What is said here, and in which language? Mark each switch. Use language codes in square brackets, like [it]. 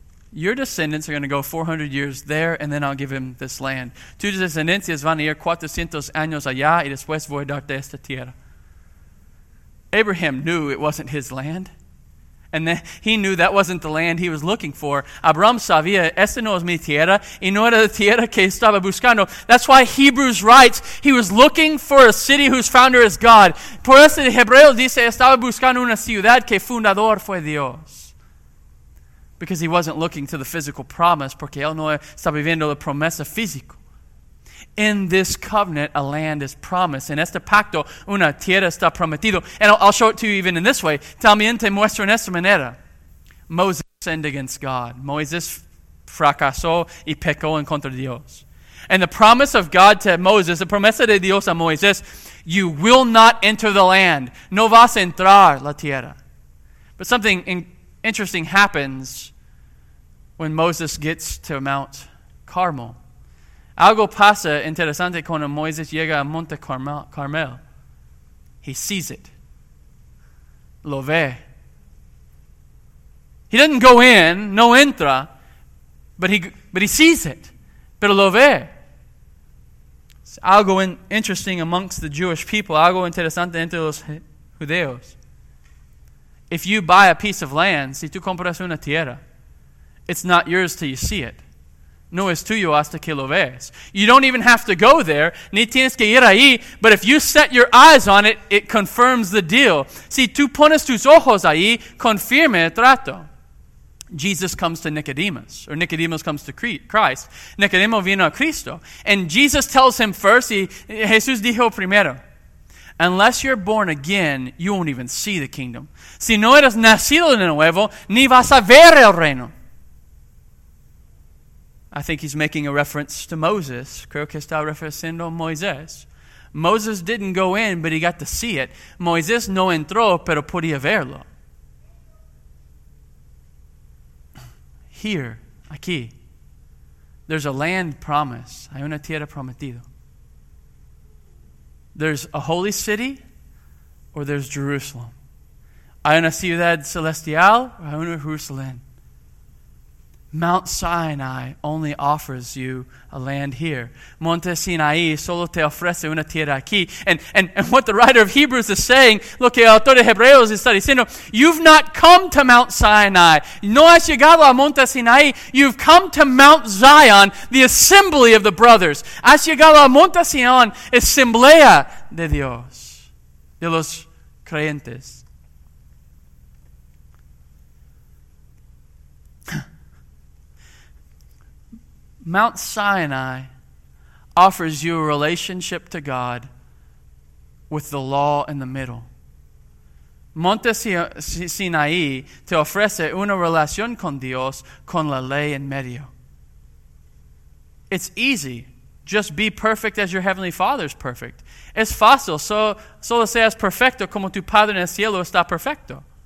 [en] Your descendants are going to go 400 years there, and then I'll give him this land. [es] Tus descendencias van a ir 400 años allá, y después voy a darte esta tierra. [en] Abraham knew it wasn't his land, and then he knew that wasn't the land he was looking for. [es] Abraham sabía, esta no es mi tierra, y no era la tierra que estaba buscando. [en] That's why Hebrews writes, he was looking for a city whose founder is God. [es] Por eso el Hebreo dice, estaba buscando una ciudad que fundador fue Dios. [en] Because he wasn't looking to the physical promise, [es] porque él no está viviendo la promesa física. [en] In this covenant, a land is promised. [es] En este pacto, una tierra está prometido. [en] And I'll show it to you even in this way. [es] También te muestro en esta manera. [en] Moses sinned against God. [es] Moses fracasó y pecó en contra de Dios. [en] And the promise of God to Moses, the [es] promesa de Dios a Moisés, [en] you will not enter the land. [es] No vas a entrar la tierra. [en] But something interesting happens when Moses gets to Mount Carmel. [es] Algo pasa interesante cuando Moisés llega a Monte Carmel. [en] He sees it. [es] Lo ve. [en] He doesn't go in, [es] no entra, [en] but he sees it. [es] Pero lo ve. [en] It's algo interesting amongst the Jewish people. [es] Algo interesante entre los judeos. [en] If you buy a piece of land, [es] si tú compras una tierra, [en] it's not yours till you see it. [es] No es tuyo hasta que lo veas. [en] You don't even have to go there, [es] ni tienes que ir ahí, [en] but if you set your eyes on it, it confirms the deal. [es] Si tú pones tus ojos ahí, confirma el trato. [en] Jesus comes to Nicodemus, or Nicodemus comes to Christ. [es] Nicodemo vino a Cristo, [en] and Jesus tells him first, [es] Jesús dijo primero, [en] unless you're born again, you won't even see the kingdom. [es] Si no eres nacido de nuevo, ni vas a ver el reino. [en] I think he's making a reference to Moses. [es] Creo que está refiriendo a Moisés. [en] Moses didn't go in, but he got to see it. [es] Moisés no entró, pero podía verlo. [en] Here, aquí, there's a land promise. [es] Hay una tierra prometida. [en] There's a holy city, or there's Jerusalem. [es] Hay una ciudad celestial, or hay una Jerusalén. [en] Mount Sinai only offers you a land here. [es] Monte Sinai solo te ofrece una tierra aquí. [en] And what the writer of Hebrews is saying, [es] lo que el autor de Hebreos está diciendo, [en] you've not come to Mount Sinai. [es] No has llegado a Monte Sinai. [en] You've come to Mount Zion, the assembly of the brothers. [es] Has llegado a Monte Sion, asamblea de Dios, de los creyentes. [en] Mount Sinai offers you a relationship to God with the law in the middle. [es] Monte Sinaí te ofrece una relación con Dios con la ley en medio. [en] It's easy. Just be perfect as your Heavenly Father is perfect. [es] Es fácil. Solo seas perfecto como tu Padre en el cielo está perfecto.